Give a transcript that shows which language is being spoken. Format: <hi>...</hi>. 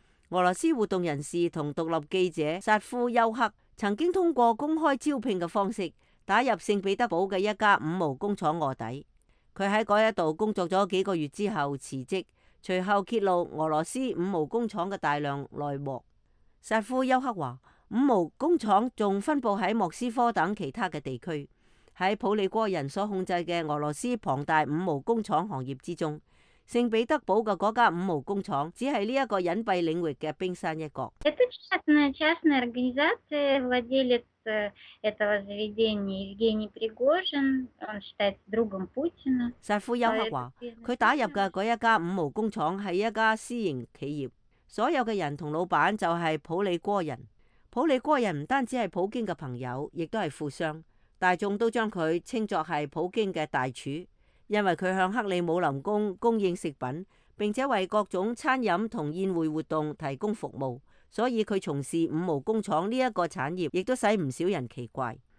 <zh>俄罗斯活动人士和独立记者萨夫丘克曾经通过公开招聘的方式打入圣彼得堡的一家五毛工厂卧底，他在那一度工作了几个月之后辞职，随后揭露俄罗斯五毛工厂的大量内幕。萨夫丘克说，五毛工厂还分布在莫斯科等其他的地区，在普里戈人所控制的俄罗斯庞大五毛工厂行业之中，圣彼得堡的那家五毛工厂只是这个隐蔽领域的冰山一角。</zh> <ru>Это частная организация, владелец этого заведения Евгений Пригожин, он считается другом Путина.</ru> <zh>萨夫丘克说，他打入的那一家五毛工厂是一家私营企业，所有的人和老板就是普里戈人。普里戈人不单止是普京的朋友，也是富商，大众都将他称作是普京的大厨，因为他向克里姆林宫供应食品，并且为各种餐饮和宴会活动提供服务，所以他从事五毛工厂这个产业也使不少人奇怪。</zh>